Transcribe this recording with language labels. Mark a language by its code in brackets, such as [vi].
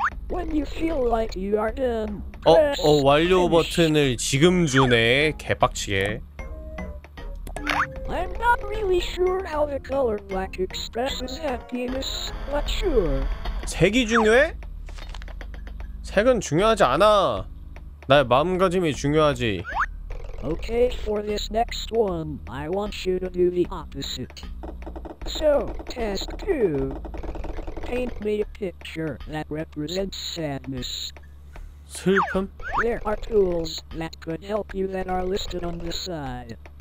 [en] When you feel like you are done. [ko] 완료 버튼을 지금 주네. 개빡치게. [en] I'm not really sure how the color black expresses happiness, but sure. [ko] 색이 중요해? 색은 중요하지 않아. 나의 마음가짐이 중요하지. [en] Okay, for this next one, I want you to do the opposite. So, task 2. Paint me a picture that represents sadness. [ko] 슬픔? [en] There are tools that could help you that are listed on the side.